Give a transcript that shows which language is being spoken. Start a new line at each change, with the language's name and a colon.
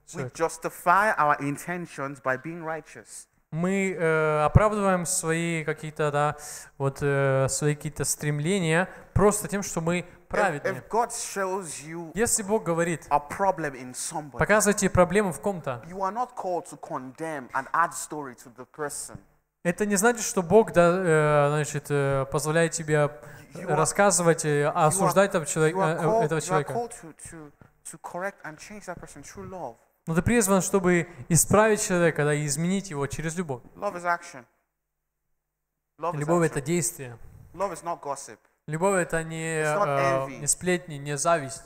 English: We justify our intentions by being righteous.
Russian: Мы оправдываем свои какие-то, да, вот свои какие-то стремления просто тем, что мы праведны.
English: If God shows you,
Russian: если Бог говорит,
English: a problem in somebody,
Russian: показывайте проблему в ком-то,
English: you are not called to condemn and add story to the person.
Russian: Это не значит, что Бог, да, значит, позволяет тебе рассказывать, осуждать этого человека.
English: to correct and change that person through love.
Russian: Но ты призван, чтобы исправить человека, да, и изменить его через любовь.
English: Love is action.
Russian: Love любовь — это действие.
English: Love is not gossip.
Russian: Любовь — это не, не сплетни, не зависть.